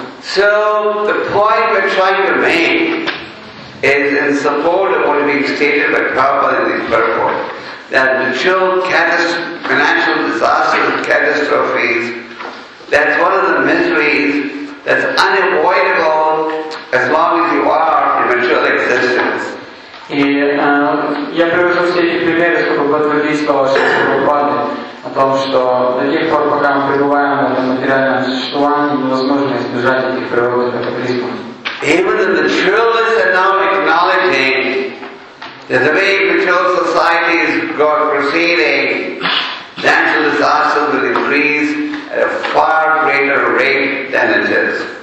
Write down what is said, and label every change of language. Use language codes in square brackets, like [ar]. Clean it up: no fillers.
[en] So the point we're trying to make is in support of what is being stated by Prabhupada in this purport, that natural financial disasters and catastrophes, that's one of the miseries that's unavoidable as long as you are in material existence. [ru] Я привожу все эти примеры, чтобы подтвердить слова Шрилы Прабхупады о том, что до тех пор, пока мы пребываем в этом материальном существовании, невозможно избежать этих природных катаклизмов. [en] Even the materialists are now acknowledging that the way material society is proceeding, natural disasters will increase at a far greater rate than it is.